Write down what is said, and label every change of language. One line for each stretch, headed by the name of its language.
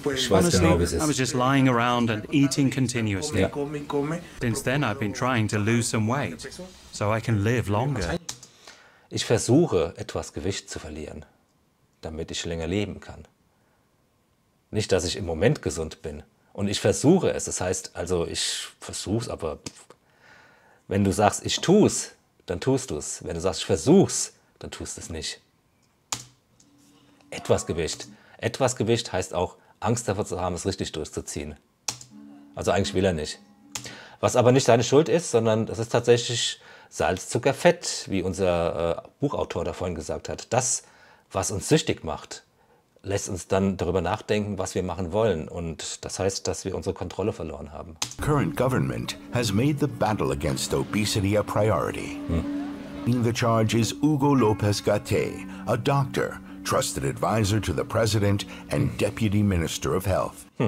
English: Honestly, I was just lying around and eating continuously. Since then, I've been trying to lose some weight so I can live longer.
German: Ich versuche, etwas Gewicht zu verlieren, damit ich länger leben kann. Nicht, dass ich im Moment gesund bin. Und ich versuche es. Das heißt, also ich versuche es, aber wenn du sagst, ich tue es, dann tust du es. Wenn du sagst, ich versuche es, dann tust du es nicht. Etwas Gewicht. Etwas Gewicht heißt auch, Angst davor zu haben, es richtig durchzuziehen. Also eigentlich will er nicht. Was aber nicht seine Schuld ist, sondern das ist tatsächlich Salz, Zucker, Fett, wie unser Buchautor da vorhin gesagt hat. Das, was uns süchtig macht, lässt uns dann darüber nachdenken, was wir machen wollen. Und das heißt, dass wir unsere Kontrolle verloren haben.
English: The current government has made the battle against obesity a priority. In the charge is Hugo Lopez-Gatte, a doctor, trusted advisor to the president and deputy minister of health.